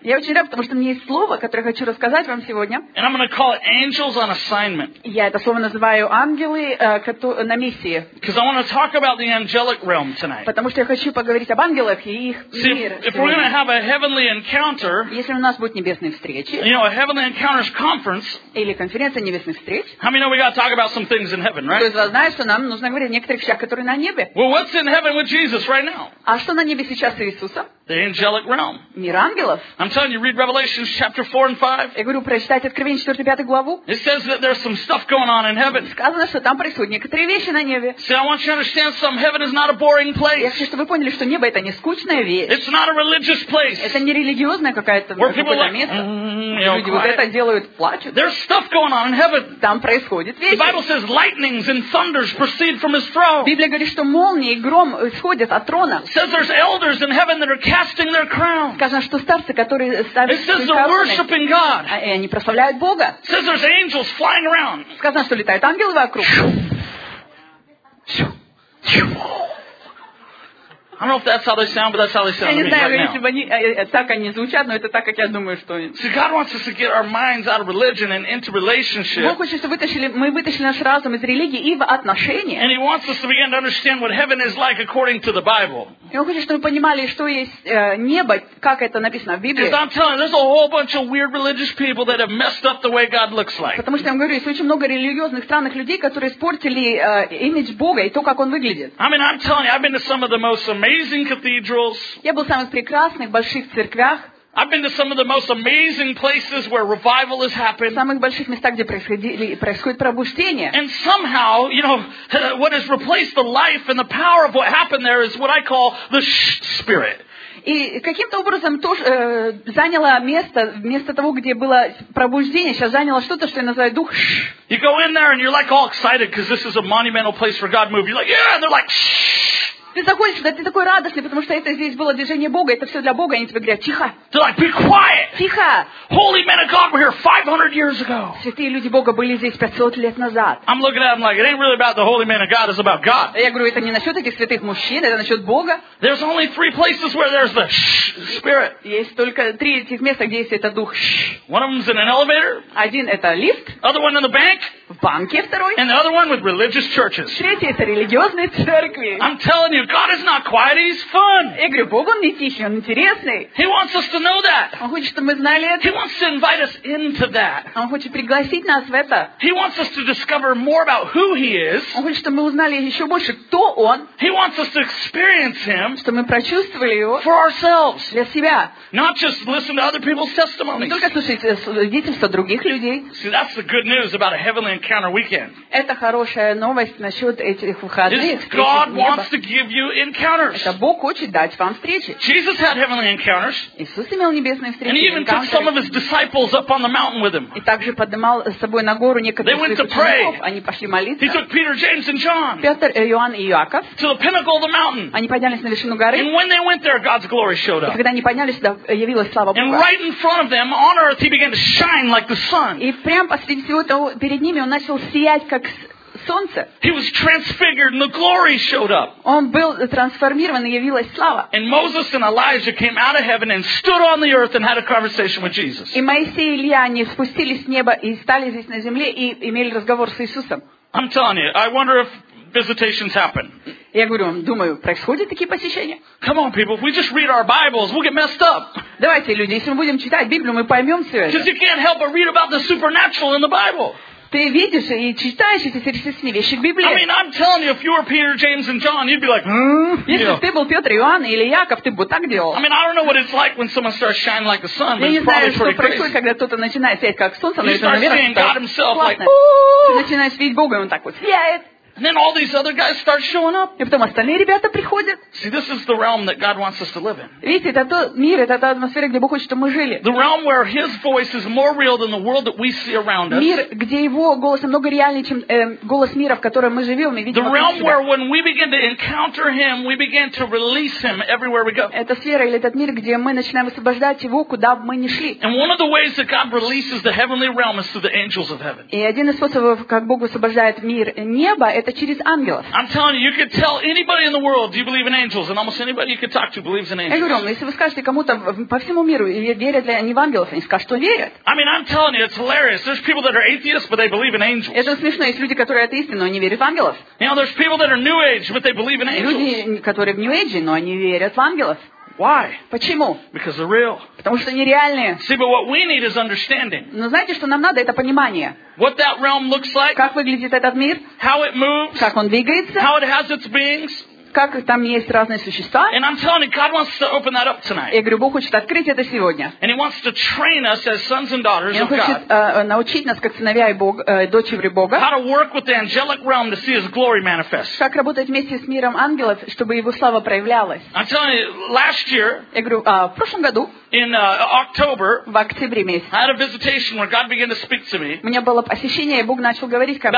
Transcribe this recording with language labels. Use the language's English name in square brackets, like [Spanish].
[Russian] Я очень рад, потому что у меня есть слово, которое хочу рассказать вам сегодня. [English] And I'm going to call it angels on assignment. [Russian] Я это слово называю ангелы на миссии. [English] Because I want to talk about the angelic realm tonight. [Russian] Потому что я хочу поговорить об ангелах и их мир. [English] If we're going to have a heavenly encounter, [Russian] если у нас будет небесные встречи, [English] you know, a heavenly encounters conference, [Russian] или конференция небесных встреч, [English] how many know we got to talk about some things in heaven, right? [Russian] Кто из вас знает, что нам нужно говорить о некоторых вещах, которые на небе? [English] Well, what's in heaven with Jesus right now? [Russian] А что на небе сейчас с Иисусом? [English] The angelic realm. [Russian] Мир ангелов. [English] I'm telling you, read Revelation chapter 4 and 5. [Russian] Я говорю, прочитайте Откровение 4, 5 главу. [English] It says that there's some stuff going on in heaven. [Russian] Сказано, что там происходят некоторые вещи на небе. [English] See, I want you to understand some heaven is not a boring place. [Russian] Я хочу, чтобы вы поняли, что небо это не скучная вещь. [English] It's not a religious place. [Russian] Это не религиозное какое-то место. [English] Where people like, [Russian] люди вот это делают, плачут. [English] There's stuff going on in heaven. [Russian] Там происходит вещи. [English] The Bible says lightnings and thunders proceed from his throne. [Russian] Библия говорит, что молнии и гром исходят от трона. [English] It says there's elders in heaven that are casting their crowns. [Russian] Сказано, что старцы, которые ставят свои короны. [English] It says they're worshiping God. [Russian] И они прославляют Бога. [English] It says there's angels flying around. [Russian] Сказано, что летают ангелы вокруг. [English] I don't know if that's how they sound, but that's how they sound to me [Russian] знаю, [English] right [Russian] если [English] now. [Russian] Они, так они звучат, но это так, как я думаю, что... [English] See, God wants us to get our minds out of religion and into relationship. [Russian] Бог хочет, чтобы мы вытащили наш разум из религии и в отношения. [English] And he wants us to begin to understand what heaven is like according to the Bible. [Russian] И он хочет, чтобы мы понимали, что есть небо, как это написано в Библии. [English] Because I'm telling you, there's a whole bunch of weird religious people that have messed up the way God looks like. [Russian] Потому что, я вам говорю, есть очень много религиозных, странных людей, которые испортили имидж Бога и то, как он выглядит. [English] I mean, I'm telling you, I've been to some of the most amazing cathedrals. [Russian] Я был в самых прекрасных больших церквях. [English] I've been to some of the most amazing places where revival has happened. [Russian] Самых больших местах, где происходит пробуждение. [English] And somehow, you know, what has replaced the life and the power of what happened there is what I call the spirit. [Russian] И каким-то образом тоже заняло место вместо того, где было пробуждение, сейчас заняло что-то, что я называю дух. [English] You go in there and you're like all excited because this is a monumental place for God to move. You're like, yeah, and they're like. [Russian] Ты заходишь сюда, ты такой радостный, потому что это здесь было движение Бога, это все для Бога, они тебе говорят, тихо. [English] They're like, be quiet. [Russian] Тихо. [English] Holy men of God were here 500 years ago. [Russian] Святые люди Бога были здесь 500 лет назад. [English] I'm looking at them like, it ain't really about the holy men of God, it's about God. [Russian] Я говорю, это не насчет этих святых мужчин, это насчет Бога. [English] There's only three places where there's the shh, spirit. [Russian] Есть только три этих места, где есть этот дух shh. [English] One of them's in an elevator. [Russian] Один это лифт. [English] Other one in the bank. [Russian] В банке второй. [English] And the other one with religious churches. [Russian] Третий это религиозные церкви. [English] I'm telling you, God is not quiet, he's fun. [Russian] Я говорю, Бог он не тихий, он интересный. [English] He wants us to know that. [Russian] Он хочет, чтобы мы знали это. [English] He wants to invite us into that. [Russian] Он хочет пригласить нас в это. [English] He wants us to discover more about who he is. [Russian] Он хочет, чтобы мы узнали еще больше, кто он. [English] He wants us to experience him. [Russian] Чтобы мы прочувствовали его. [English] For ourselves. [Russian] Для себя. [English] Not just listen to other people's testimonies. [Russian] Не только слушать свидетельства других людей. [English] See, that's the good news about a heavenly encounter weekend. [Russian] Это хорошая новость насчёт этих выходных. [English] God wants to give you encounters. [Russian] Это Бог хочет дать вам встречи. [English] Jesus had heavenly encounters. [Russian] Иисус имел небесные встречи. [English] And he even took some of his disciples up on the mountain with him. [Russian] И также поднимал с собой на гору некоторых своих учеников. Они пошли молиться. [English] He took Peter, James, and John. [Russian] Петр, Иоанн и Иаков. [English] To the pinnacle of the mountain. [Russian] Они поднялись на вершину горы. [English] And when they went there, God's glory showed up. [Russian] Когда они поднялись туда, явилась слава Бога. [English] And right in front of them, on earth, he began to shine like the sun. [Russian] И прямо посреди всего этого перед ними он начал сиять как солнце. [English] He was transfigured and the glory showed up. [Russian] Он был трансформирован и явилась слава. [English] And Moses and Elijah came out of heaven and stood on the earth and had a conversation with Jesus. [Russian] И Моисей и Илия они спустились с неба и стали здесь на земле и имели разговор с Иисусом. [English] I'm telling you, I wonder if visitations happen. [Russian] Я говорю вам, думаю, происходят такие посещения? [English] Come on, people. If we just read our Bibles, we'll get messed up. [Russian] Давайте, люди, если мы будем читать Библию, мы поймем все это. [English] Because you can't help but read about the supernatural in the Bible. [Russian] Ты видишь и читаешь эти сверхъестественные вещи в Библии. [English] I mean, I'm telling you, if you were Peter, James, and John, you'd be like, [Russian] Если бы ты был Петр, Иоанн или Яков, ты бы так делал. [English] I mean, I don't know what it's like when someone starts shining like the sun. [Russian] Я не знаю, что происходит, когда кто-то начинает сиять как солнце, но это наверное классно. Начинаешь видеть Бога, и он так вот сияет. [English] And then all these other guys start showing up. [Russian] И потом остальные ребята приходят. [English] See, this is the realm that God wants us to live in. [Russian] Видите, это тот мир, это та атмосфера, где Бог хочет, чтобы мы жили. [English] The realm where His voice is more real than the world that we see around us. [Russian] Мир, где Его голос намного реальнее, чем голос мира, в котором мы живем и видим. [English] The realm where when we begin to encounter Him, we begin to release Him everywhere we go. [Russian] Это сфера или этот мир, где мы начинаем освобождать Его, куда бы мы ни шли. [English] And one of the ways that God releases the heavenly realm is through the angels of heaven. [Russian] И один из способов, как Бог освобождает мир неба, это через ангелов. [English] I'm telling you, you could tell anybody in the world, do you believe in angels? And almost anybody you could talk to believes in angels. [Russian] Я говорю, если вы скажете кому-то по всему миру, верят ли они в ангелов, они скажут, что верят. [English] I mean, I'm telling you, it's hilarious. There's people that are atheists, but they believe in angels. [Russian] Это смешно, есть люди, которые атеисты, но они верят в ангелов. [English] You know, there's people that are New Age, but they believe in angels. [Russian] Люди, которые в New Age, но они верят в ангелов. [English] Why? [Russian] Почему? [English] Because they're real. [Russian] Потому что они реальные. [English] See, but what we need is understanding. [Russian] Но знаете, что нам надо, это понимание. [English] What that realm looks like. [Russian] Как выглядит этот мир. [English] How it moves. [Russian] Как он двигается. [English] How it has its beings. [Russian] Как там есть разные существа. [English] And I'm telling you, God wants to open that up tonight. [Russian] Я говорю, Бог хочет открыть это сегодня. [English] And He wants to train us as sons and daughters of God. [Russian] И Он хочет научить нас, как сыновья и Бога, дочери Бога. [English] How to work with the angelic realm to see His glory manifest. [Russian] Как работать вместе с миром ангелов, чтобы Его слава проявлялась. [English] I'm telling you, last year. [Russian] Я говорю, в прошлом году. [English] In October. [Russian] В октябре месяце. [English] I had a visitation where God began to speak to me. [Russian] У меня было посещение, и Бог начал говорить ко мне.